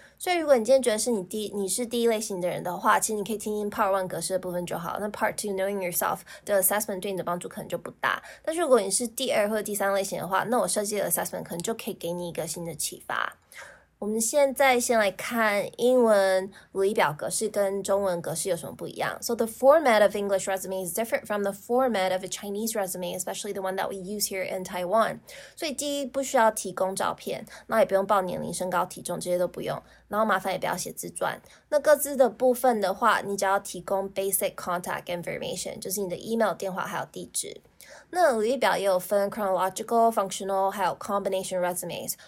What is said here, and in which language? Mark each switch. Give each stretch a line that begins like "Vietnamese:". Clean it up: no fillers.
Chinese: 所以如果你今天觉得是你是第一类型的人的话，其实你可以听听 Part 1格式的部分就好，那 Part 2 Knowing Yourself 的 Assessment 对你的帮助可能就不大。但是如果你是第二或者第三类型的话，那我设计的 Assessment 可能就可以给你一个新的启发。我们现在先来看英文履历表格式跟中文格式有什么不一样。
English: So the format of English resume is different from the format of a Chinese resume, especially the one that we use here in Taiwan.
Chinese: 所以第一不需要提供照片，那也不用报年龄、身高、体重，这些都不用。然后麻烦也不要写自传。那各自的部分的话，你只要提供
English: basic contact information,
Chinese: 就是你的 email、电话还有地址。那履历表也有分 chronological, functional, 还有 combination resumes.